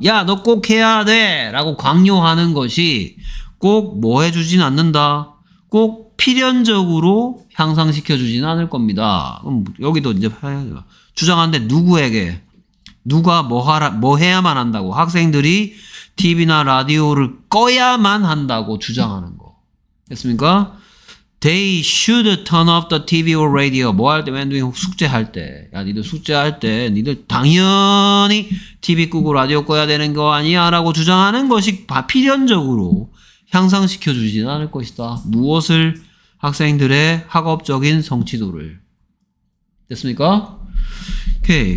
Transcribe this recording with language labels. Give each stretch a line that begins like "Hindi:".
Korean: 야, 너꼭 해야 돼라고 강요하는 것이 꼭뭐 해주진 않는다. 꼭 필연적으로 향상시켜주진 않을 겁니다. 그럼 여기도 이제 주장하는데 누구에게? 누가 뭐 해야만 한다고? 학생들이 TV나 라디오를 꺼야만 한다고 주장하는 거. 됐습니까?
English: They should turn off the TV or radio.
Korean: 뭐할 때? 맨 뒤에 숙제할 때. 야, 니들 숙제할 때. 니들 당연히 TV 끄고 라디오 꺼야 되는 거 아니야? 라고 주장하는 것이 필연적으로 향상시켜주진 않을 것이다. 무엇을? 학생들의 학업적인 성취도를. 됐습니까? 오케이.